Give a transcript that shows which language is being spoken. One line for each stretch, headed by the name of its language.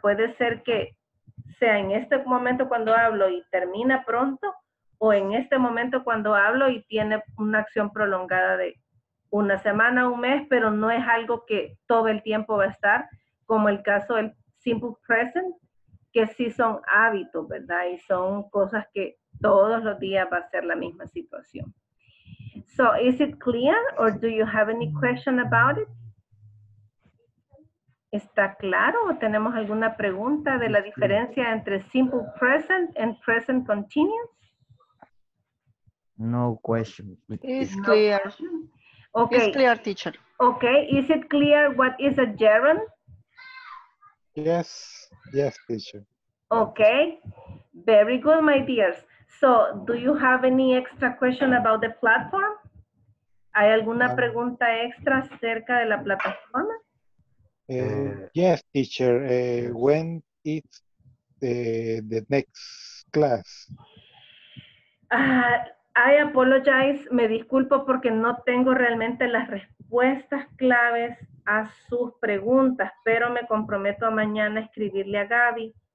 Spanish: Puede ser que sea en este momento cuando hablo y termina pronto, o en este momento cuando hablo y tiene una acción prolongada de una semana, un mes, pero no es algo que todo el tiempo va a estar, como el caso del simple present, que sí son hábitos, ¿verdad? Y son cosas que todos los días va a ser la misma situación.
English: So, is it clear or do you have any question about it?
Spanish: ¿Está claro o tenemos alguna pregunta de la diferencia entre simple present and present continuous?
English: No question. It's clear. No question? Okay. It's clear, teacher. Okay, is it clear what is a gerund? Yes, yes, teacher. Okay, very good, my dears. So, do you have any extra question about the platform?
Spanish: ¿Hay alguna pregunta extra acerca de la plataforma?
English: Yes, teacher. When is the next class? I apologize.
Spanish: Me disculpo porque no tengo realmente las respuestas claves a sus preguntas, pero me comprometo a mañana a escribirle a Gaby.